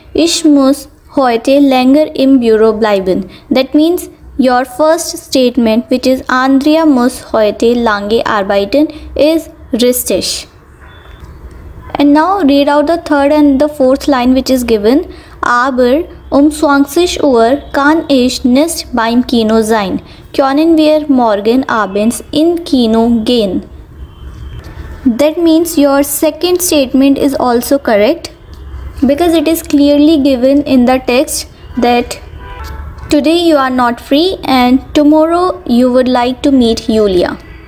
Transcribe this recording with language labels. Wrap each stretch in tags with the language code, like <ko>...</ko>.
<de>Ich muss heute länger im Büro bleiben.</de> <en>That means your first statement, which is</en> <de>Andrea muss heute lange arbeiten,</de> <en>is richtig. And now read out the third and the fourth line which is given.</en> <de>Aber 20 Uhr kann ich nicht beim Kino sein. Können wir morgen abends in Kino gehen?</de> <en>That means your second statement is also correct, because it is clearly given in the text that today you are not free and tomorrow you would like to meet Julia.</en>